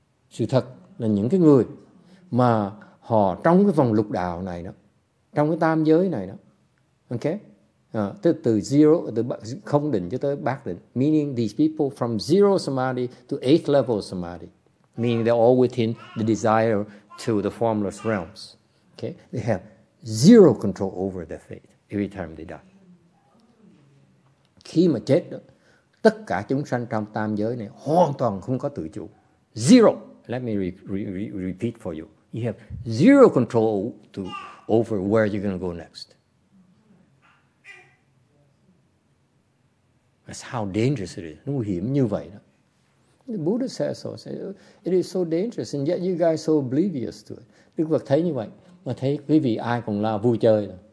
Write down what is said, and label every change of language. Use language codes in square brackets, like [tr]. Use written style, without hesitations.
[vi] Sự thật là những cái người mà họ trong cái vòng lục đạo này đó, trong cái tam giới này đó, okay, từ zero, từ không định cho tới bát định, [en] meaning these people from zero samadhi to eighth level samadhi, meaning they're all within the desire to the formless realms. Okay? They have zero control over their fate every time they die. [vi] Khi mà chết đó, tất cả chúng sanh trong tam giới này hoàn toàn không có tự chủ. [en] Zero. Let me repeat for you. You have zero control over where you're going to go next. That's how dangerous it is. [vi] Nguy hiểm như vậy đó. [en] The Buddha says so. It is so dangerous, and yet you guys are so oblivious to it. [vi] Đức Phật thấy như vậy, mà thấy quý vị ai còn là vui chơi.